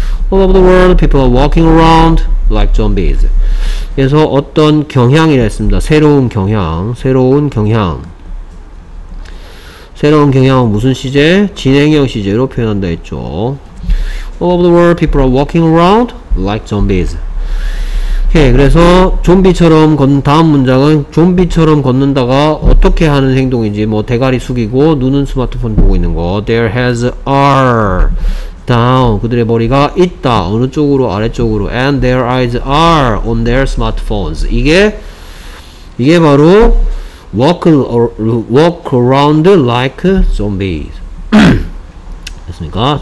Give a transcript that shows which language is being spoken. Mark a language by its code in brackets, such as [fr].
[en] All over the world, people are walking around like zombies. [ko] 그래서 어떤 경향이라 했습니다. 새로운 경향, 새로운 경향. 새로운 경향은 무슨 시제? 진행형 시제로 표현한다 했죠. [en] All over the world, people are walking around like zombies. [ko] 오케이, 그래서 좀비처럼 걷는 다음 문장은 좀비처럼 걷는다가 어떻게 하는 행동인지 뭐 대가리 숙이고 눈은 스마트폰 보고 있는 거. [en] Their heads are down. [ko] 그들의 머리가 있다. 어느 쪽으로? 아래쪽으로. [en] And their eyes are on their smartphones. [ko] 이게 바로 [en] walk around like zombies. [ko] 됐습니까?